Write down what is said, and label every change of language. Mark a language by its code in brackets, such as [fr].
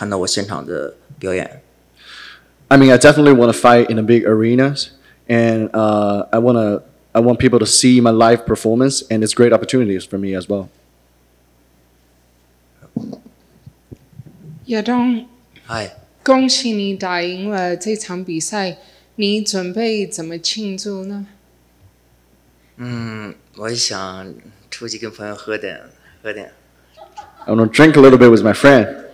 [zh] 当然，我肯定想在那个就是体育馆里面打比赛，而且对我来说也是一个很好的机会，然后让更多的观众可以看到我现场的表演。 [en] I mean, I definitely want to fight in the big arenas, and I want people to see my live performance, and it's great opportunities for me as well. Yadong, Hi. [zh] 恭喜你打赢了这场比赛。你准备怎么庆祝呢？嗯，我想出去跟朋友喝点。 [en] I want to drink a little bit with my friend.